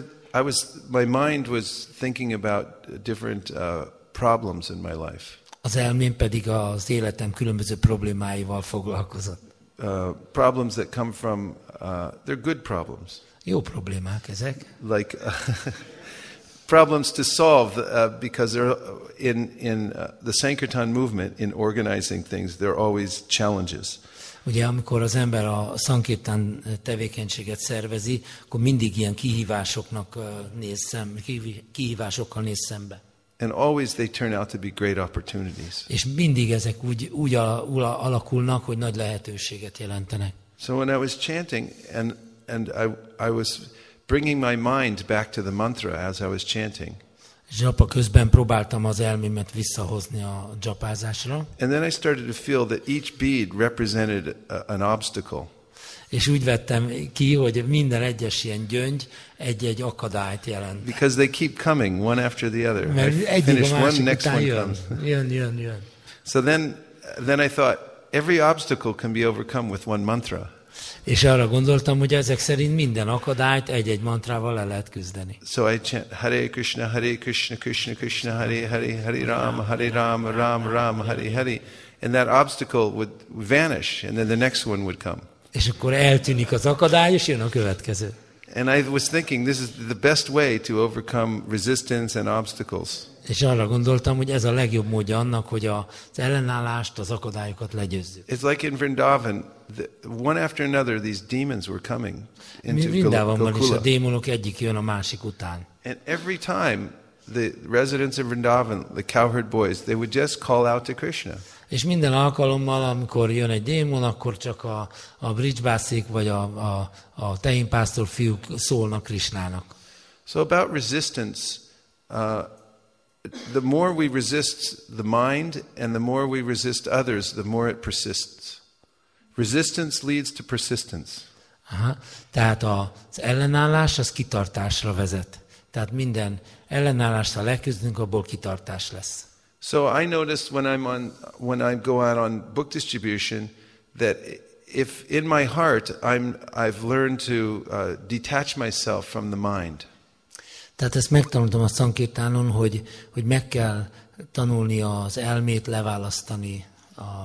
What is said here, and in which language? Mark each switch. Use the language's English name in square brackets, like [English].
[English] And my mind was thinking about different problems in my life. [Hungarian] Az elmém pedig az életem különböző problémáival foglalkozott. [English] Problems that come from, they're good problems. [Hungarian] Jó problémák ezek. [English] Like problems to solve because they're in the Sankirtan movement, in organizing things, there are always challenges. [Hungarian] Ugye amikor az ember a Sankirtan tevékenységet szervezi, akkor mindig ilyen kihívásokkal néz szembe. [English] And always they turn out to be great opportunities. [Hungarian] És mindig ezek úgy alakulnak, hogy nagy lehetőséget jelentenek. [English] So when I was chanting and I was bringing my mind back to the mantra as I was chanting. [Hungarian] Japa közben próbáltam az elmémet visszahozni a japázásra. [English] And then I started to feel that each bead represented an obstacle. [Hungarian] És úgy vettem ki, hogy minden egyes ilyen gyöngy egy-egy akadályt jelent. [English] Because they keep coming one after the other. [Hungarian] Mert egyik a másik után jön. [English] So then I thought every obstacle can be overcome with one mantra. [Hungarian] És arra gondoltam, hogy ezek szerint minden akadályt egy-egy mantrával le lehet küzdeni. [English] So I chant Hare Krishna, Krishna Krishna, Hare Hare, Hare Rama, Rama Rama, Hare Hare. And that obstacle would vanish, and then the next one would come. [Hungarian] És akkor eltűnik az akadály, és jön a következő. [English] And I was thinking, this is the best way to overcome resistance and obstacles. [Hungarian] És arra gondoltam, hogy ez a legjobb módja annak, hogy az ellenállást, az akadályokat legyőzzük. [English] It's like in Vrindavan, one after another these demons were coming into [Hungarian] Vrindavanban is a démonok egyik jön a másik után. [English] And every time the residents of Vrindavan, the cowherd boys, they would just call out to Krishna. [Hungarian] És minden alkalommal, amikor jön egy démon, akkor csak a bridge-bászik vagy a tehénpásztor fiúk szólnak Krishnának. [English] So about resistance, the more we resist the mind and the more we resist others, the more it persists. Resistance leads to persistence. Aha. [Hungarian] Tehát az ellenállás az kitartásra vezet. Tehát minden ellenállást, ha leküzdünk, abból kitartás lesz. [English] So I noticed when I go out on book distribution that if in my heart I've learned to detach myself from the mind. [Hungarian] Tehát ezt megtanultam a szankirtánon, hogy meg kell tanulni az elmét leválasztani a.